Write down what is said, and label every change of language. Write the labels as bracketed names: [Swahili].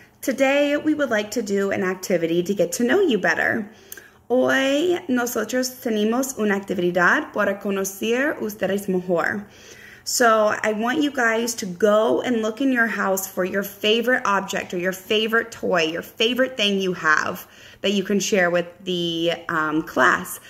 [English] Today, we would like to do an activity to get to know you better. [Spanish] Hoy, nosotros tenemos una actividad para conocer ustedes mejor. [English] So, I want you guys to go and look in your house for your favorite object or your favorite toy, your favorite thing you have that you can share with the class.